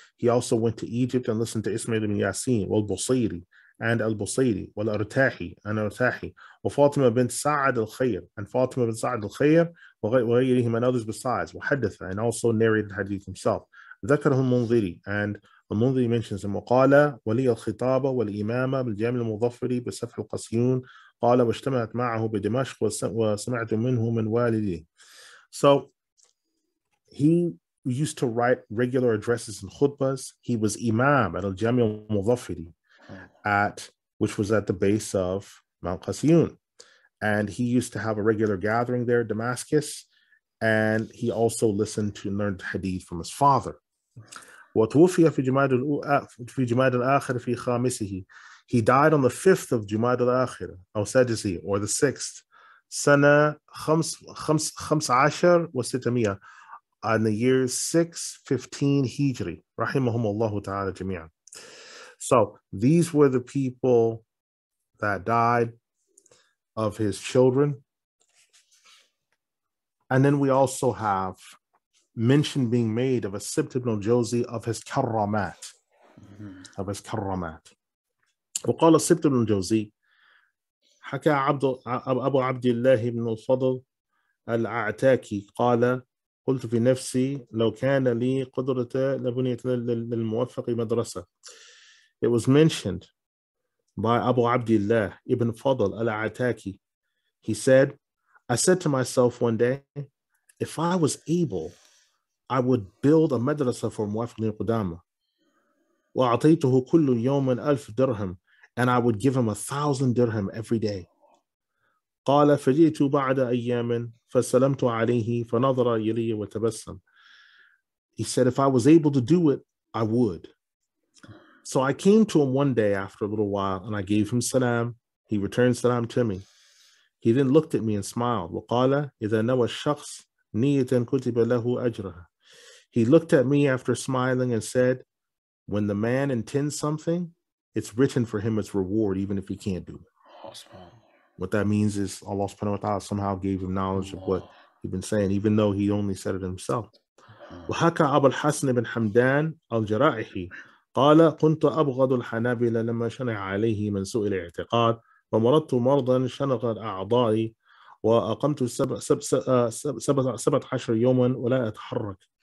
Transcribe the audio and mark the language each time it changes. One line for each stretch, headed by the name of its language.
English: He also went to Egypt and listened to Ismail ibn Yasin, وَالْبُصَيْرِ, and Al-Busayri, وَالْأَرْتَاحِ, and Al-Artahi, وَفَاطِمَ بِنْتِ سَعَدْ الْخَيْرِ, and Fatima bin Sa'ad al-Khayr,
Arabic: وَغَيْرِهِمْ,
English: and others besides,
Arabic: وَحَدَّثَ,
English: and also narrated hadith himself.
Arabic: ذكرهم منذري,
English: and Al-Mundhi mentions him.
Arabic: وقال ولي الخطابة والإمامة بالجامع المظفري بسفح القصيون قال واجتمعت معه بدمشق وسمعت منه من والدي.
English: So he used to write regular addresses and khutbas. He was imam at al-Jami al-Muzaffiri, which was at the base of Mount Qasiyun. And he used to have a regular gathering there, Damascus. And he also listened to and learned hadith from his father.
Arabic: وَتُوفِيَ فِي جُمَادِ الْآخِرِ فِي خَامِسِهِ.
English: He died on the 5th of Jumad al-Akhir, or Sadisi, or the 6th.
Arabic: Sana khams ashar wa sitamiya.
English: In the year 615 Hijri,
Arabic: rahimahumullahu ta'ala jami'an.
English: So these were the people that died of his children. And then we also have mention being made of a Sibt ibn al-Jawzi of his karramat. Mm-hmm. Of his karramat.
Arabic: وقال Sibt ibn al-Jawzi, حكى أبو عبد الله بن الفضل الأعتاكي قال قلت في نفسي لو كان لي قدرة لبنية للموفق مدرسة.
English: It was mentioned by Abu Abdullah ibn Fadl al-Ataki. He said, I said to myself one day, if I was able, I would build a madrasa for Muwaffaq ibn Qudamah.
Arabic: وَعَطَيْتُهُ كُلُّ يَوْمٍ أَلْفُ
English: dirham, and I would give him 1,000 dirham every day.
Arabic: قال فجئت بعد أيام فسلمت عليه فنظر إلي وتبسم.
English: He said, if I was able to do it, I would. So I came to him one day after a little while and I gave him salam. He returned salam to me. He then looked at me and smiled.
Arabic: وقال إذا نوى الشخص نية كتب له أجرها.
English: He looked at me after smiling and said, when the man intends something, it's written for him as reward, even if he can't do it. Awesome. What that means is Allah subhanahu wa ta'ala somehow gave him knowledge of what he'd been saying, even though he only said it himself.
Arabic: وَحَكَى أَبُو الْحَسَنِ بْنُ حَمْدَانَ الْجَرَائِحِ قَالَ قُنْتُ أَبْغَضُ الْحَنَابِلَ لَمَّا شَنَعَ عَلَيْهِ مَنْ سُوءِ الْاِعْتِقَادِ وَمَرَضْتُ مَرْضًا شَنَقَتْ أَعْضَائِي وَأَقَمْتُ سَبْعَ عَشَرَ يَوْمًا وَلَا أَتْحَرَّكُ.